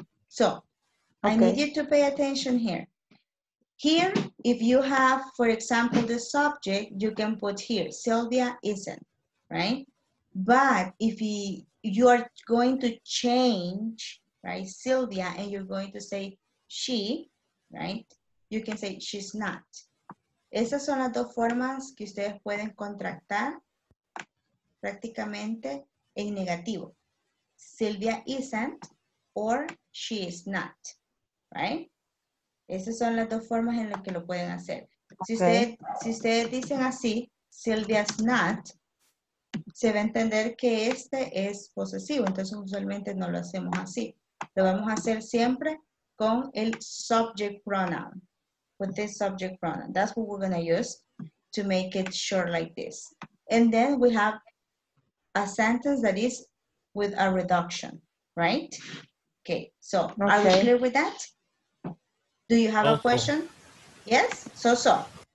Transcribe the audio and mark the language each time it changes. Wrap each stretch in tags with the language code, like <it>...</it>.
<en>So, okay. I need you to pay attention here. Here, if you have, for example, the subject, you can put here, Sylvia isn't, right? But if you are going to change, right, Sylvia, and you're going to say she, right? You can say she's not.</en> <es>Esas son las dos formas que ustedes pueden contractar prácticamente en negativo.</es> <en>Sylvia isn't or she is not, right?</en> <es>Esas son las dos formas en las que lo pueden hacer. Okay. Si ustedes dicen así,</es> <en>Sylvia's not,</en> <es>se va a entender que este es posesivo. Entonces, usualmente no lo hacemos así. Lo vamos a hacer siempre con el</es> <en>subject pronoun. With this subject pronoun. That's what we're going to use to make it short like this. And then we have a sentence that is with a reduction, right? Okay, so okay. Are we clear with that? Do you have a question? Yes? So.</en>